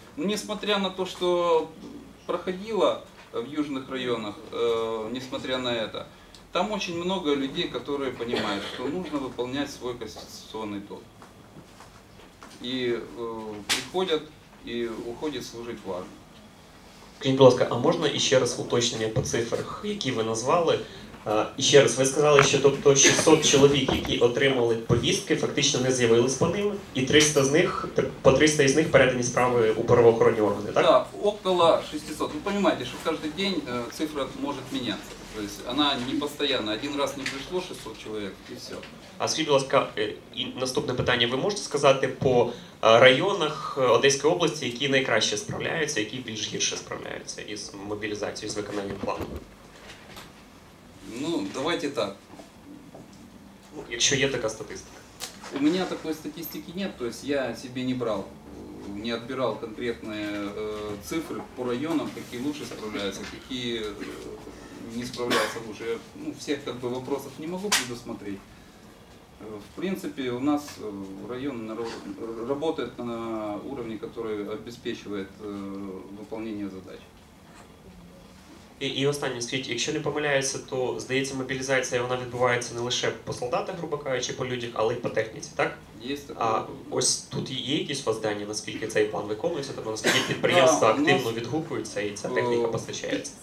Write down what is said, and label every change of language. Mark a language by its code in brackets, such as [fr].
[ru] Несмотря на то, что проходило в южных районах, несмотря на это, там очень много людей, которые понимают, что нужно выполнять свой конституционный долг. И приходят и уходят служить в армию. Скажите, пожалуйста, а можно еще раз уточнение по цифрах, [uk] які ви назвали? Ще раз, ви сказали, що тобто 600 чоловік, які отримали повістки, фактично не з'явились по ним, і 300 з них, по 300 із них передані справи у правоохоронні органи, так? Так, около 600. Ви розумієте, що кожен день цифра може змінятися. Тобто вона не постійна. Один раз не прийшло 600 чоловік, і все. А скажіть, будь ласка, і наступне питання. Ви можете сказати по районах Одеської області, які найкраще справляються, які більш гірше справляються із мобілізацією, з виконанням плану? Ну, давайте так. Якщо є така статистика. У мене такої статистики немає, то есть я себе не брав, не відбирав конкретні цифри по районам, які краще справляються, які не справляються краще. [ru] Ну, всіх как бы вопросов не можу предусмотреть. В принципе, у нас район работает на уровне, который обеспечивает выполнение задач. [uk] І останнє, скажіть, якщо не помиляюся, то, здається, мобілізація вона відбувається не лише по солдатах, грубо кажучи, по людях, але й по техніці, так? Є таке. А ось тут є якісь у вас дані, наскільки цей план виконується, тобто наскільки підприємства активно відгукуються і ця техніка постачається?